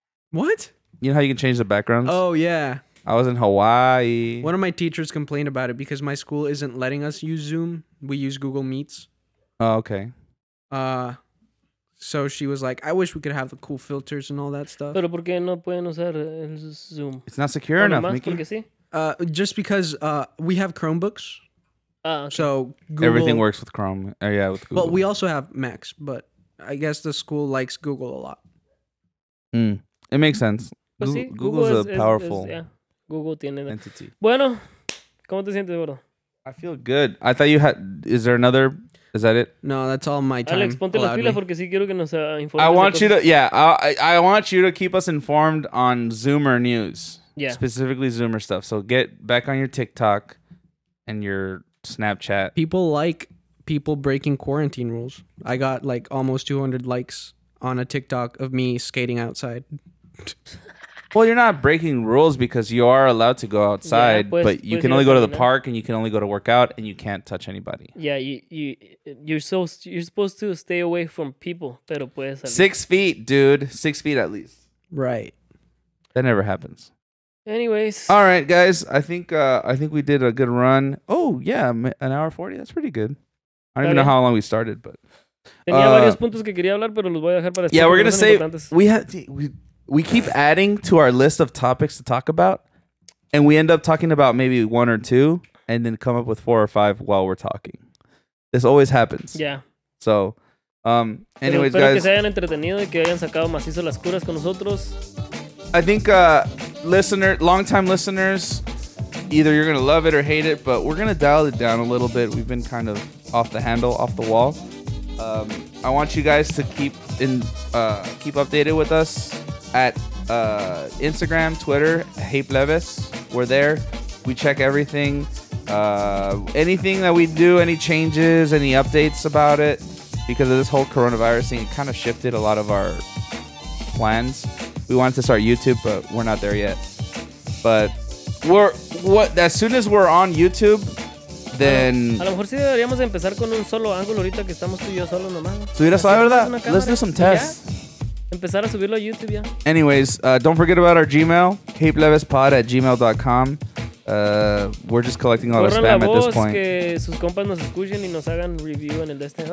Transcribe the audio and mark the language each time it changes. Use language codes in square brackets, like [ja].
[en] What? You know how you can change the backgrounds? Oh, yeah. I was in Hawaii. One of my teachers complained about it because my school isn't letting us use Zoom. We use Google Meets. Oh, okay. So she was like, I wish we could have the cool filters and all that stuff. [es] Pero ¿por qué no pueden usar el Zoom? [en] It's not secure enough, [es] más, Mickey. Porque sí. [en] Just because we have Chromebooks. Okay. So Google, everything works with Chrome. Yeah, with Google. But we also have Macs, but I guess the school likes Google a lot. Mm. It makes sense. [es] Google tiene [en] entity. [es] Bueno, ¿cómo te sientes, gordo? [en] I feel good. I thought you had... Is there another... Is that it? No, that's all my time. [es] Alex, ponte las pilas porque sí quiero que nos informes. [en] I want you to, I want you to keep us informed on Zoomer news. Yeah. Specifically Zoomer stuff. So get back on your TikTok and your Snapchat. People like people breaking quarantine rules. I got like almost 200 likes on a TikTok of me skating outside. Well, you're not breaking rules because you are allowed to go outside, [es] yeah, pues, [en] but you can only go to the park and you can only go to work out and you can't touch anybody. Yeah, you're supposed to stay away from people, [es] pero puedes salir. [en] 6 feet, dude. 6 feet at least. Right. That never happens. Anyways. All right, guys. I think we did a good run. Oh, yeah. An hour 40. That's pretty good. I don't even know how long we started, but... [es] Tenía varios puntos que quería hablar, pero los voy a dejar para... [en] Yeah, we're going to say... We keep adding to our list of topics to talk about, and we end up talking about maybe one or two, and then come up with four or five while we're talking. This always happens. Yeah. So, anyways, guys. [es] Espero que se hayan entretenido y que hayan sacado macizo las curas con nosotros. [en] I think listener, longtime listeners, either you're going to love it or hate it, but we're going to dial it down a little bit. We've been kind of off the handle, off the wall. I want you guys to keep in, keep updated with us at Instagram, Twitter, Hey Plebes. We're there. We check everything. Anything that we do, any changes, any updates about it, because of this whole coronavirus thing, it kind of shifted a lot of our plans. We wanted to start YouTube, but we're not there yet. But as soon as we're on YouTube, then... [es] A lo mejor sí deberíamos empezar con un solo ángulo ahorita que estamos tú y yo solo nomás. Subir a solo, ¿verdad? [en] Let's do some tests. [es] Empezar a subirlo a YouTube, ya. [en] Anyways, don't forget about our Gmail, heyplebespod@gmail.com. We're just collecting all the spam at this point. [es] Que sus compas nos escuchen y nos hagan review en el destino.